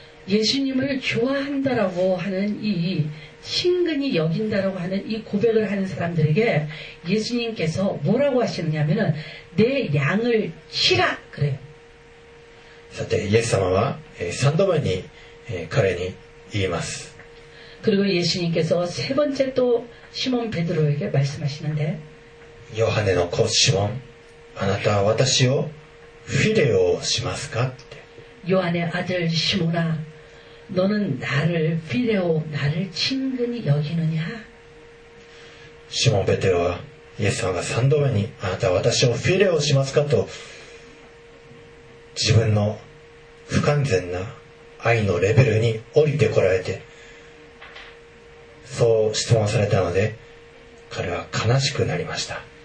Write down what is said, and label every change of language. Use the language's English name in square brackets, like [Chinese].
[Korean] 예수님을좋아한다라고하는이친근히여긴다라고하는이고백을하는사람들에게예수님께서뭐라고하시느냐면은내양을치라그래요 [Japanese] さて、イエス様は3度目に彼に言います。 [Korean] 그리고예수님께서세번째또시몬베드로에게말씀하시는데 [Japanese] ヨハネの子シモン、あなたは私をフィレオしますか? [Korean] ヨハネ아들시몬아너는나를フィレオ나를친근히여기느냐 [Japanese] 시몬베드로はイエス様が3度目にあなたは私をフィレオしますかと自分の不完全な愛のレベルに降りてこられてそう質問されたので彼は悲しくなりました